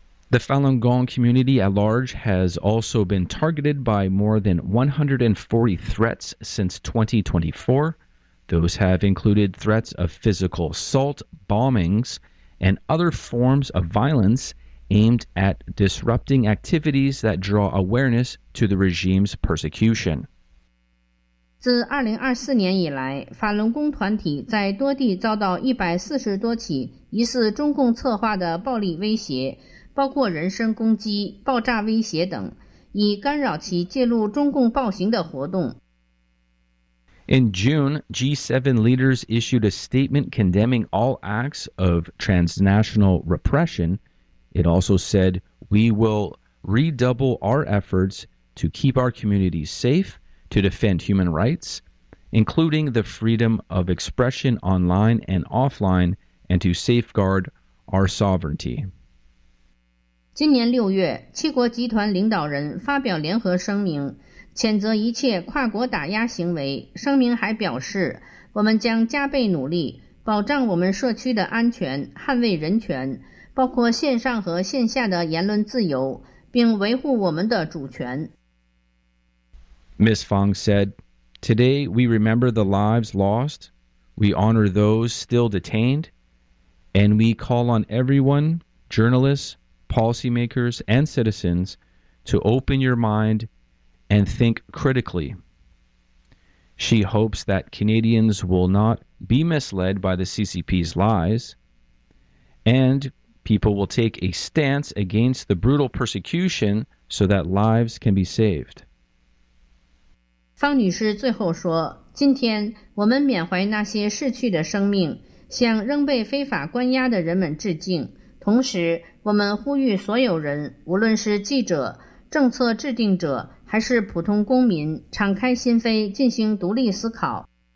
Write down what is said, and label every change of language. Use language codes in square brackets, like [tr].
[en] The Falun Gong community at large has also been targeted by more than 140 threats since 2024. Those have included threats of physical assault, bombings, and other forms of violence aimed at disrupting activities that draw awareness to the regime's persecution. [zh] 自2024年以来，法轮功团体在多地遭到140多起疑似中共策划的暴力威胁，包括人身攻击、爆炸威胁等，以干扰其介入中共暴行的活动。 [en] In June, G7 leaders issued a statement condemning all acts of transnational repression. It also said, "We will redouble our efforts to keep our communities safe, to defend human rights, including the freedom of expression online and offline, and to safeguard our sovereignty." [zh] 今年六月，七国集团领导人发表联合声明，谴责一切跨国打压行为。声明还表示，我们将加倍努力，保障我们社区的安全，捍卫人权，包括线上和线下的言论自由，并维护我们的主权。 [en] Ms. Fang said, "Today we remember the lives lost, we honor those still detained, and we call on everyone, journalists,policymakers and citizens to open your mind and think critically." She hopes that Canadians will not be misled by the CCP's lies and people will take a stance against the brutal persecution so that lives can be saved. [zh] 方女士最后说，今天我们缅怀那些逝去的生命，向仍被非法关押的人们致敬。同时，我们呼吁所有人，无论是记者、政策制定者，还是普通公民，敞开心扉，进行独立思考。